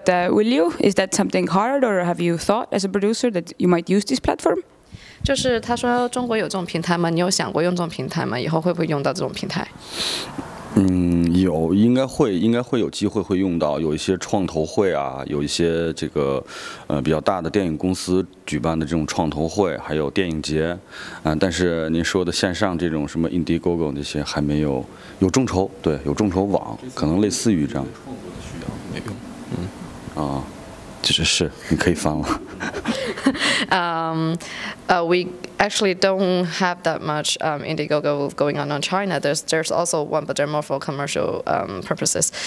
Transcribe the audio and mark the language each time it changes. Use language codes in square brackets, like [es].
[en] Will you? Is that something hard or have you thought as a producer that you might use this platform? [zh] 就是他说中国有这种平台吗？你有想过用这种平台吗？以后会不会用到这种平台？应该会有机会会用到，有一些创投会啊，有一些这个比较大的电影公司举办的这种创投会，还有电影节，但是您说的线上这种什么 Indiegogo 那些还没有，有众筹，对，有众筹网，可能类似于这样。就是你可以放了。 [en] We actually don't have that much Indiegogo going on in China. There's also one, but they're more for commercial purposes.